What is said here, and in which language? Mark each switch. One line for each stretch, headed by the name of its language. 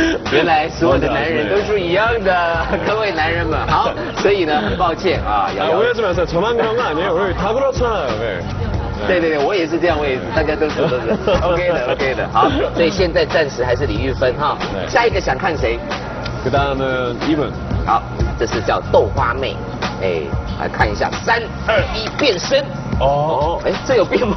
Chinese: 原来所有的男人都是一样的，各位男人们。好，所以呢，抱歉啊，
Korean: 아오해하지마세요저만그런거아니에요우리다그렇잖아요왜
Chinese: 对对对，我也是这样，我也是，大家都是OK 的 ，OK 的。好，所以现在暂时还是李玉芬哈。下一个想看谁？
Korean: 그다음은이분。
Chinese: 好，这是叫豆花妹。哎，来看一下，三二一，变身。哦。哎，这有变吗？